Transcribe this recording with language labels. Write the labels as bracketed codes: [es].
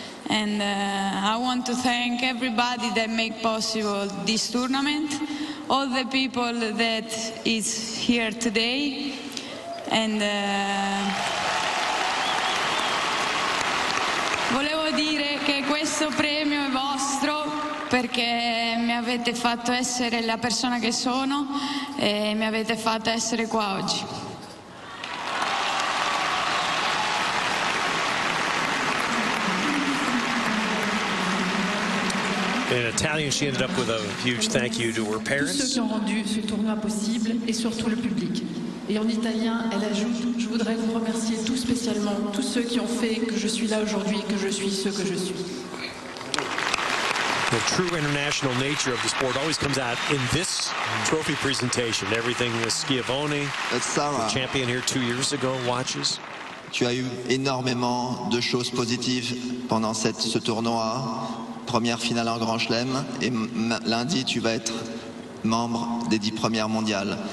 [en] And I want to thank everybody that make possible this tournament, all the people that is here today, [it] and volevo dire che questo premio è vostro perché mi avete fatto essere la persona che sono e mi avete fatto essere qua oggi. [en] In Italian, she ended up with a huge thank you to her parents. [fr] Tous ceux qui ont rendu ce tournoi possible et surtout le public. Et en italien, elle ajoute, je voudrais vous remercier tout spécialement, tous ceux qui ont fait que je suis là aujourd'hui, que je suis ce que je suis. [en] The true international nature of the sport always comes out in this trophy presentation. Everything with Schiavone, the champion here 2 years ago, watches. [fr] Tu as eu énormément de choses positives pendant ce tournoi. Première finale en Grand Chelem, et lundi tu vas être membre des 10 premières mondiales.